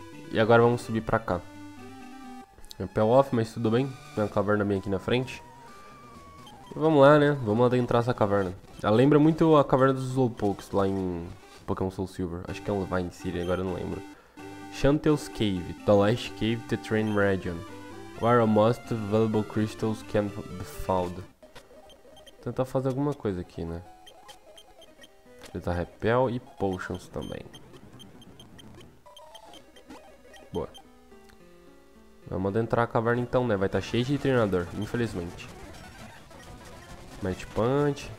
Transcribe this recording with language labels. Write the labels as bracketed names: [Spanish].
[Portuguese] E agora vamos subir pra cá. Repel off, mas tudo bem. Tem uma caverna bem aqui na frente. E vamos lá, né? Vamos lá adentrar essa caverna. Ela lembra muito a caverna dos Slowpokes lá em Pokémon Soul Silver. Acho que é um Vine City, agora eu não lembro. [English] Chantel's Cave. The Last Cave to Train Region. Where a most valuable crystals can be found. [Portuguese] Tentar fazer alguma coisa aqui, né? Tentar repel e potions também. Vamos adentrar a caverna então, né? Vai estar cheio de treinador, infelizmente. Match Punch.